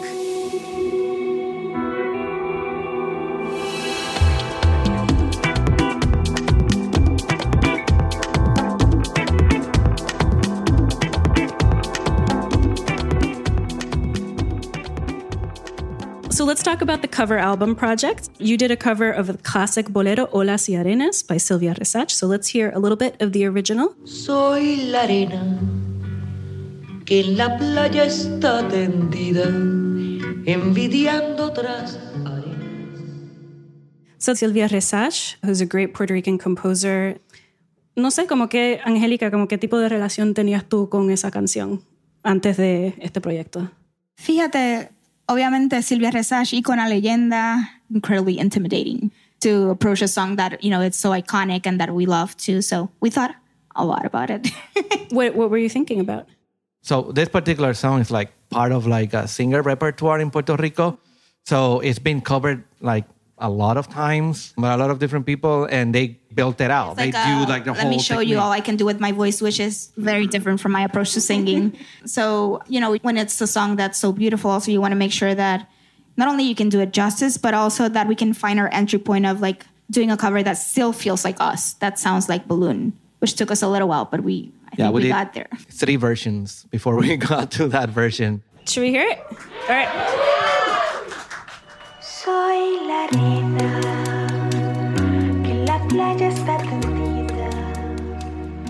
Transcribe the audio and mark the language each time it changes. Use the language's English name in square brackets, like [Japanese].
[English] So let's talk about the cover album project. You did a cover of the classic bolero Olas y Arenas by Silvia Resach. So let's hear a little bit of the original. [Spanish] Soy la arena que en la playa está tendida, envidiando otras arenas. [English] So Silvia Resach, who's a great Puerto Rican composer. [Spanish] No sé, como que, Angélica, como qué tipo de relación tenías tú con esa canción antes de este proyecto. Fíjate, obviamente, [English] Silvia Resach, [Spanish] icona leyenda, [English] incredibly intimidating to approach a song that, you know, it's so iconic and that we love too. So we thought a lot about it. What were you thinking about? So this particular song is like part of like a singer repertoire in Puerto Rico. So it's been covered like a lot of times by a lot of different people and they built it out. Like they do like the whole thing. Let me show you all I can do with my voice, which is very different from my approach to singing. So, you know, when it's a song that's so beautiful, so you want to make sure that not only you can do it justice, but also that we can find our entry point of like doing a cover that still feels like us. That sounds like Balloon, which took us a little while, but I think we got there. Three versions before we got to that version. Should we hear it? All right. [Spanish] Soy la arena que la playa está tendida,